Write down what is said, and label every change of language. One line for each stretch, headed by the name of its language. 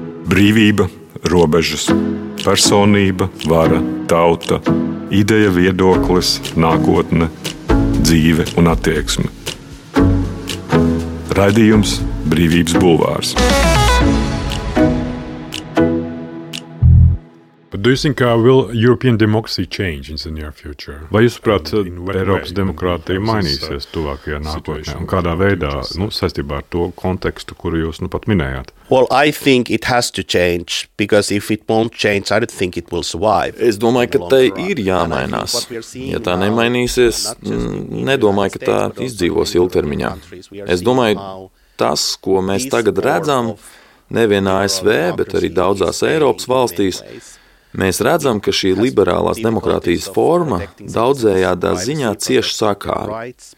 Latvian: Brīvība, robežas. Personība, vara, tauta, ideja, viedoklis, nākotne, dzīve un attieksme. Raidījums Brīvības bulvārs.
English: Do you think will European democracy change in the near future?
Latvian: Vai jūs saprāt, Eiropas demokrātija mainīsies tuvākajā nākotnē? Un kādā veidā, saistībā ar to kontekstu, kuru jūs pat minējāt?
English: Well, I think it has to change, because if it won't change, I don't think it will survive.
Latvian: Es domāju, ka tai ir jāmainās. Ja tā nemainīsies, nedomāju, ka tā izdzīvos ilgtermiņā. Es domāju, tas, ko mēs tagad redzam, nevienā ASV, bet arī daudzās Eiropas valstīs, mēs redzam, ka šī liberālās demokrātijas forma daudzējādā ziņā cieši sakāra.